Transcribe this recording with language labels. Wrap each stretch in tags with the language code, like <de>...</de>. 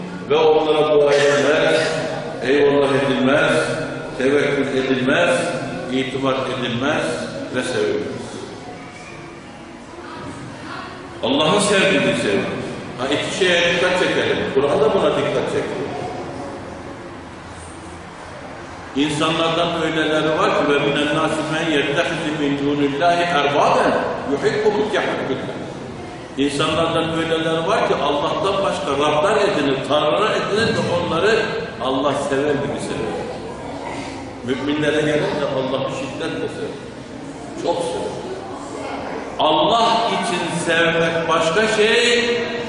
<tr>Ve onlara dua edilmez, eyvallah edilmez, tevekkül edilmez, itibar edilmez ve sevilmez. Allah'ın sevdiğini sevilmez. Ha iki şeye dikkat çekelim. Kur'an da buna dikkat çekiyor. İnsanlardan öyleleri var ki</tr> <ar>وَمِنَ النَّاسِ مَنْ يَتَّخِذِ مِنْ دُونُ اللّٰهِ اَرْبَابًا يُحِبُّهُمْ يَحِبُّهُمْ.</ar> <tr>İnsanlardan öyleler var ki Allah'tan başka Rablar edinir, Tanrılar edinir de onları Allah sever gibi sever. Müminlere gelince Allah şiddetle sever. Çok sever. Allah için sevmek başka şey,</tr>